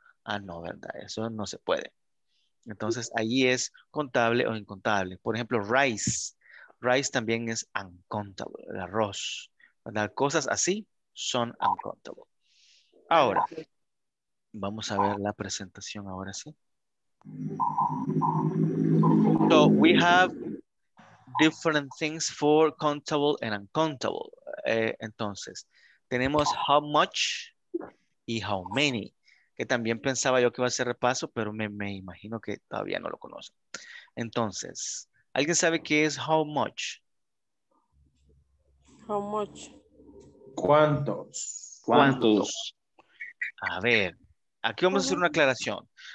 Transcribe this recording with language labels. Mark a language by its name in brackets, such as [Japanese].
[Spanish] Ah, no, ¿verdad? Eso no se puede. Entonces, ahí es contable o incontable. Por ejemplo, rice. Rice también es uncountable, el arroz. ¿Verdad? Cosas así son uncountable. Ahora, vamos a ver la presentación ahora sí. [English] So, we have different things for countable and uncountable. [Spanish] Entonces, tenemos how much y how many. Que también pensaba yo que iba a ser repaso, pero me imagino que todavía no lo conocen. Entonces, ¿alguien sabe qué es how much? [English] How much. [Spanish] ¿Cuántos? ¿Cuántos? A ver. Aquí vamos a hacer una aclaración.